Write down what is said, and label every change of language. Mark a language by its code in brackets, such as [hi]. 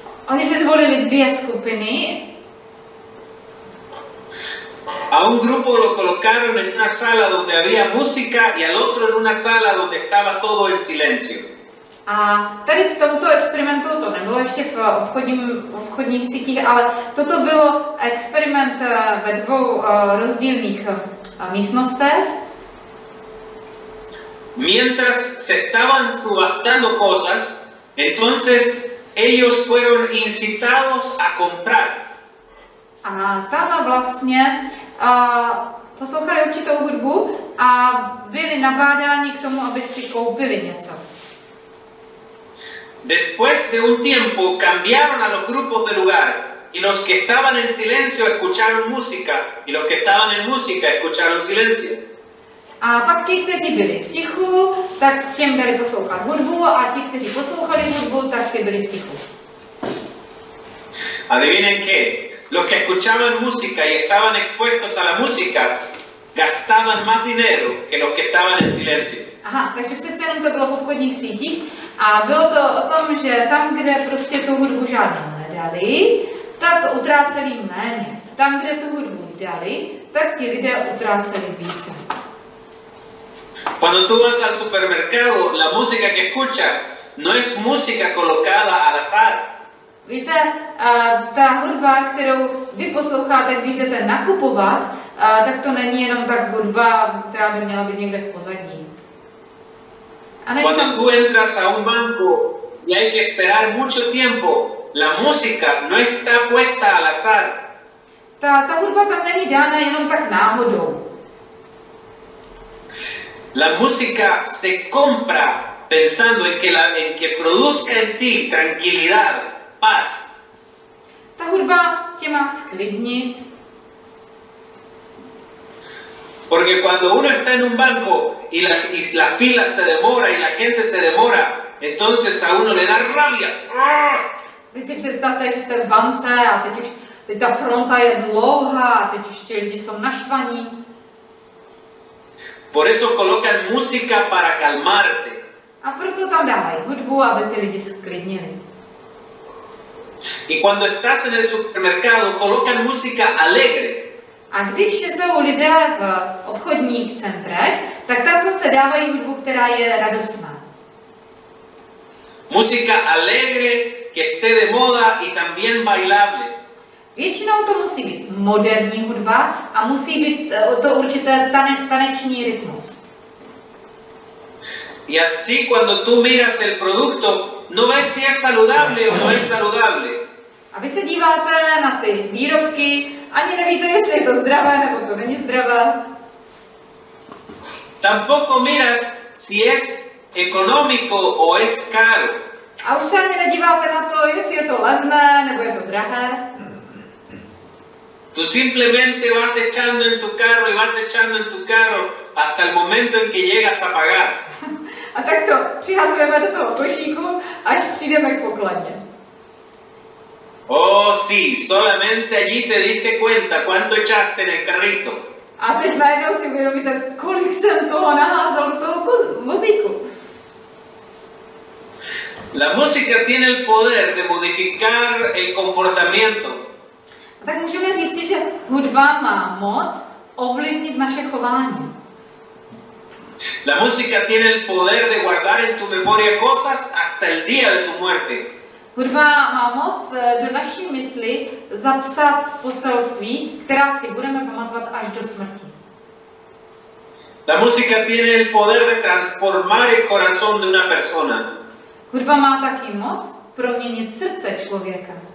[cs] Oni si zvolili dvě skupiny. [es] A un grupo lo colocaron en una sala donde había música y al otro en una sala donde estaba todo en silencio. [cs] A tady v tomto experimentu, to nebylo ještě v obchodních sítích, ale toto byl experiment ve dvou rozdílných místnostech. [es] Mientras se estaban subastando cosas, entonces ellos fueron incitados a comprar. [cs] A tam vlastně poslouchali určitou hudbu a byli nabádáni k tomu, aby si koupili něco. [es] Después de un tiempo cambiaron a los grupos de lugar y los que estaban en silencio escucharon música y los que estaban en música escucharon silencio. [cs] A pak ti, kteří byli v tichu, tak těm byli poslouchat hudbu a ti, kteří poslouchali hudbu, tak ti byli v tichu. [es] Adivinen qué? Los que escuchaban música y estaban expuestos a la música gastaban más dinero que los que estaban en silencio. [cs] Aha, takže přece jenom to bylo v obchodních sítích a bylo to o tom, že tam, kde prostě tu hudbu žádnou nedali, tak utráceli méně. Tam, kde tu hudbu dali, tak ti lidé utráceli více. [es] Cuando tú vas al supermercado, la música que escuchas no es música colocada al azar. [cs] Víte, ta hudba, kterou vy posloucháte, když jdete nakupovat, tak to není jenom tak hudba, která by měla být někde v pozadí. [es] Cuando tú entras a un banco y hay que esperar mucho tiempo, la música no está puesta al azar. [cs] Ta hudba tam není dána jenom tak náhodou. [es] La música se compra pensando en que produzca en ti tranquilidad, paz. [cs] Ta hudba tě má sklidnit. [es] Porque cuando uno está en un banco y la fila se demora y la gente se demora, entonces a uno le da rabia. [cs] Vy si představte, že jste v bance a teď ta fronta je dlouhá a teď už ti lidi jsou naštvaní. [es] Por eso colocan música para calmarte. [cs] A proto tam dávají hudbu, aby ty lidi sklidnili. [es] Y cuando estás en el supermercado, colocan música alegre. [cs] A když jsou lidé v obchodních centrech, tak tam zase dávají hudbu, která je radostná. [es] Música alegre, que esté de moda y también bailable. [cs] Většinou to musí být moderní hudba a musí být to určité taneční rytmus. [es] Y así cuando tú miras el producto, no ves si es saludable o no es saludable. [cs] A vy se díváte na ty výrobky, ani nevíte, jestli je to zdravé nebo to není zdravé. [es] Tampoco miras si es económico o es caro. [cs] A už se ani nedíváte na to, jestli je to levné nebo je to drahé. [es] Tú simplemente vas echando en tu carro y vas echando en tu carro hasta el momento en que llegas a pagar. [cs] A tak to přihazujeme do toho košíku, až přijdeme k pokladně. [es] Oh sí, solamente allí te diste cuenta cuánto echaste en el carrito. [cs] A teď najednou si uvědomíte, kolik jsem toho naházal do toho vozíku. [es] La música tiene el poder de modificar el comportamiento. [cs] Tak můžeme říci, že hudba má moc ovlivnit naše chování. [es] La música tiene el poder de guardar en tu memoria cosas hasta el día de tu muerte. [cs] Hudba má moc do naší mysli zapsat poselství, která si budeme pamatovat až do smrti. [es] La música tiene el poder de transformar el corazón de una persona. [cs] Hudba má taky moc proměnit srdce člověka.